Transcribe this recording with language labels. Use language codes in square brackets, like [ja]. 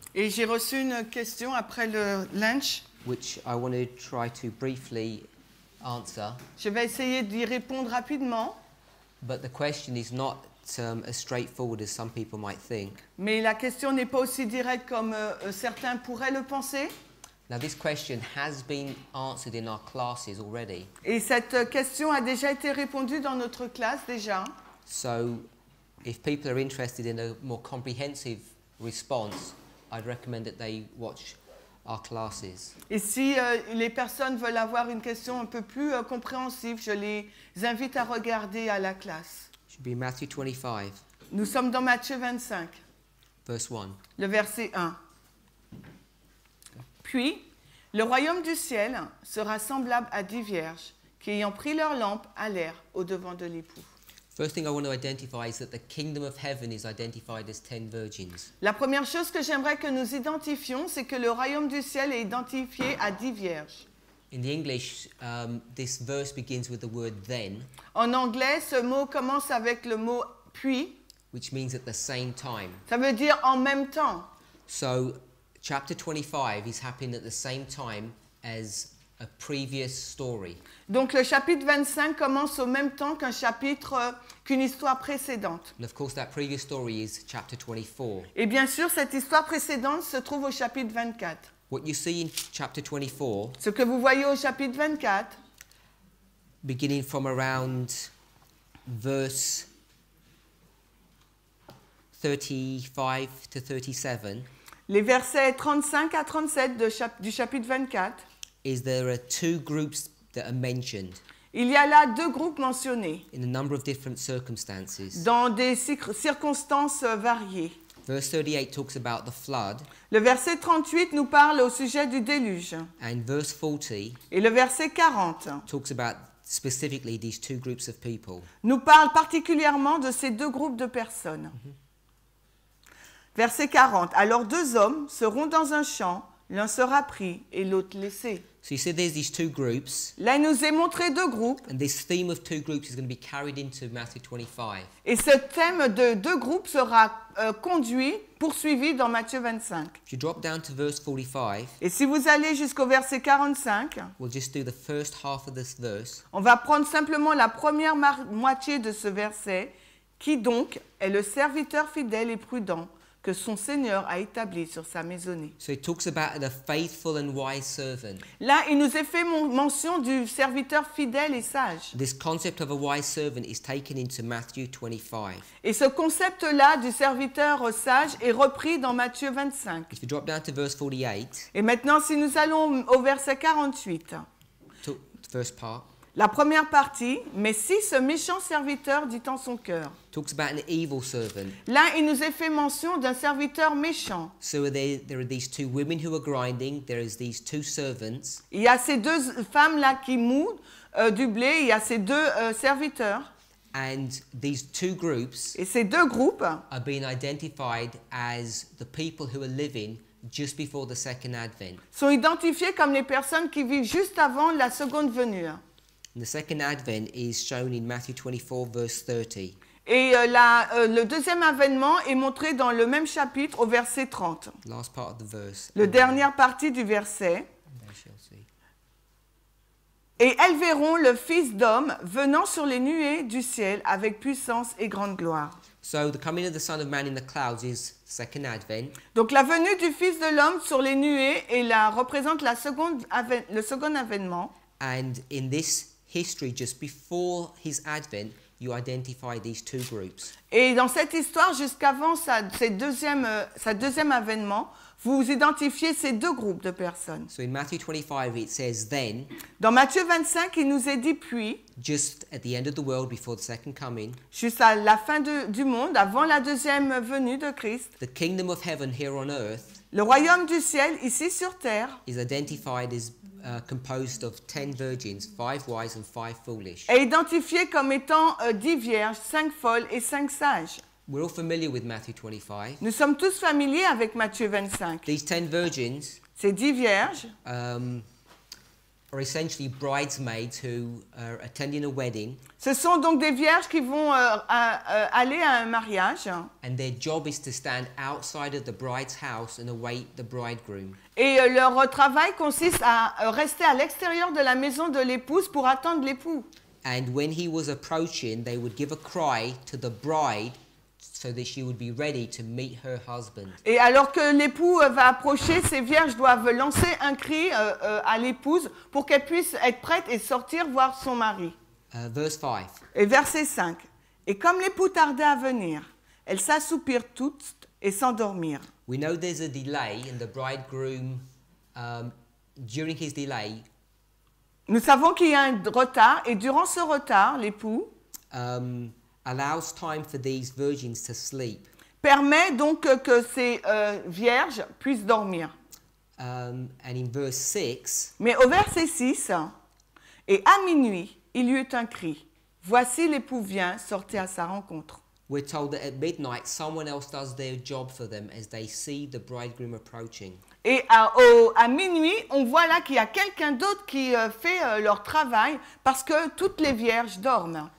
[fr] Et j'ai reçu une question après le lunch. [en] Which I want to try to briefly answer. [fr] Je vais essayer d'y répondre rapidement. [en] But the question is not as straightforward as some people might think. [fr] Mais la question n'est pas aussi directe comme certains pourraient le penser. [en] Now this question has been answered in our classes already. [fr] Et cette question a déjà été répondue dans notre classe déjà. [en] So if people are interested in a more comprehensive response, I'd recommend that they watch our classes. [fr] Et si les personnes veulent avoir une question un peu plus compréhensive, je les invite à regarder à la classe. [en] Should be Matthew 25. [fr] Nous sommes dans Matthieu 25. [en] Verse 1. [fr] Le verset 1. Puis, le royaume du ciel sera semblable à 10 vierges qui, ayant pris leur lampe, allèrent au devant de l'époux. [en] First thing I want to identify is that the kingdom of heaven is identified as 10 virgins. [fr] La première chose que j'aimerais que nous identifions, c'est que le royaume du ciel est identifié à 10 vierges. [en] In the English, this verse begins with the word then. [fr] En anglais, ce mot commence avec le mot puis. [en] Which means at the same time. [fr] Ça veut dire en même temps. [en] So, chapter 25 is happening at the same time as a previous story. [fr] Donc le chapitre 25 commence au même temps qu'un chapitre, qu'une histoire précédente. [en] And of course that previous story is chapter 24. [fr] Et bien sûr, cette histoire précédente se trouve au chapitre 24. [en] What you see in chapter 24, [fr] ce que vous voyez au chapitre 24, [en] beginning from around verse 35 to 37, [fr] les versets 35 à 37 du chapitre 24, [en] is there are two groups that are mentioned. [fr] Il y a là deux groupes mentionnés. [en] In a number of different circumstances. [fr] Dans des circonstances variées. [en] Verse 38 talks about the flood. [fr] Le verset 38 nous parle au sujet du déluge. [en] And verse 40. [fr] Et le verset 40. [en] Talks about specifically these two groups of people. [fr] Nous parle particulièrement de ces deux groupes de personnes. Mm-hmm. Verset 40. Alors deux hommes seront dans un champ. L'un sera pris et l'autre laissé. [en] So you see, there's these two groups. [fr] Là, il nous est montré deux groupes. [en] And this theme of two groups is going to be carried into Matthew 25. [fr] Et ce thème de deux groupes sera conduit, poursuivi dans Matthieu 25. [en] If you drop down to verse 45. [fr] Et si vous allez jusqu'au verset 45. [en] We'll just do the first half of this verse. [fr] On va prendre simplement la première moitié de ce verset. Qui donc est le serviteur fidèle et prudent que son Seigneur a établi sur sa maisonnée. [en] So it talks about the faithful and wise servant. [fr] Là, il nous est fait mention du serviteur fidèle et sage. [en] This concept of a wise servant is taken into Matthew 25. [fr] Et ce concept-là du serviteur sage est repris dans Matthieu 25. [en] If you drop down to verse 48. [fr] Et maintenant, si nous allons au verset 48. [en] The first part. [fr] La première partie, mais si ce méchant serviteur dit en son cœur. [en] Talks about an evil servant. [fr] Là, il nous est fait mention d'un serviteur méchant. [en] So there are these two women who are grinding. There is these two servants. [fr] Il y a ces deux femmes là qui moulent du blé. Il y a ces deux serviteurs. [en] And these two groups. [fr] Et ces deux groupes. [en] Are being identified as the people who are living just before the second advent. [fr] Sont identifiés comme les personnes qui vivent juste avant la seconde venue. [en] And the second advent is shown in Matthew 24, verse 30. [fr] Et le deuxième avènement est montré dans le même chapitre au verset 30. [en] Last part of the verse. [fr] Le dernière partie du verset. Et elles verront le Fils d'homme venant sur les nuées du ciel avec puissance et grande gloire. [en] So the coming of the Son of Man in the clouds is second advent. [fr] Donc la venue du Fils de l'homme sur les nuées est là, représente la seconde le second avènement. [en] And in this history, just before his advent, you identify these two groups. [fr] Et dans cette histoire, jusqu'avant sa deuxième avènement, vous identifiez ces deux groupes de personnes. [en] So in Matthew 25, it says then. [fr] Dans Matthieu 25, il nous est dit puis. [en] Just at the end of the world, before the second coming. [fr] Juste à la fin du monde, avant la deuxième venue de Christ. [en] The kingdom of heaven here on earth. [fr] Le royaume du ciel ici sur terre. [en] Is identified as composed of 10 virgins, 5 wise and 5 foolish. [fr] Est identifié comme étant 10 vierges, 5 folles et 5 sages. [en] We're all familiar with Matthew 25. [fr] Nous sommes tous familiers avec Matthieu 25. [en] These 10 virgins, [fr] ces 10 vierges, [en] are essentially bridesmaids who are attending a wedding. [fr] Ce sont donc des vierges qui vont aller à un mariage. [en] And their job is to stand outside of the bride's house and await the bridegroom. [fr] Et leur travail consiste à rester à l'extérieur de la maison de l'épouse pour attendre l'époux. [en] And when he was approaching, they would give a cry to the bride so that she would be ready to meet her husband. [fr] Et alors que l'époux va approcher, ces vierges doivent lancer un cri à l'épouse pour qu'elle puisse être prête et sortir voir son mari. [en] Verse 5. [fr] Et verset 5. Et comme l'époux tardait à venir, elles s'assoupirent toutes et s'endormirent. [en] We know there's a delay in the bridegroom during his delay. [fr] Nous savons qu'il y a un retard et durant ce retard, l'époux [en] allows time for these virgins to sleep. [fr] Permet donc que ces vierges puissent dormir. [en] And in verse 6, [fr] mais au verset 6, et à minuit, il y eut un cri. Voici l'époux vient, sortez à sa rencontre. [en] We're told that at midnight, someone else does their job for them as they see the bridegroom approaching. [fr] Et à minuit, on voit là qu'il y a quelqu'un d'autre qui fait leur travail parce que toutes les vierges dorment.